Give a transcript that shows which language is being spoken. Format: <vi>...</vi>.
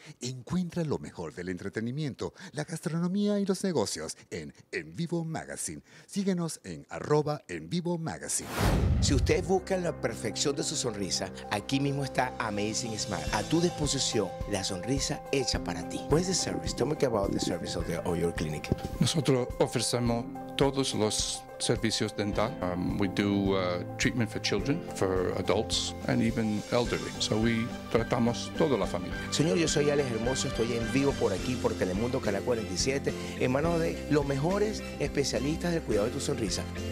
<es>Encuentra lo mejor del entretenimiento, la gastronomía y los negocios en Vivo Magazine. Síguenos en @EnVivoMagazine. Si usted busca la perfección de su sonrisa, aquí mismo está Amazing Smile. A tu disposición, la sonrisa hecha para ti.</es> <en>What is the service? Tell me about the service of your clinic.</en> <es>Nosotros ofrecemos todos los servicios dental.</es> <en>We do treatment for children, for adults, and even elderly. So we</en> <es>tratamos toda la familia. Señor, yo soy Alex Hermoso, estoy en vivo por aquí, por Telemundo, Canal 47, en manos de los mejores especialistas del cuidado de tu sonrisa.</es>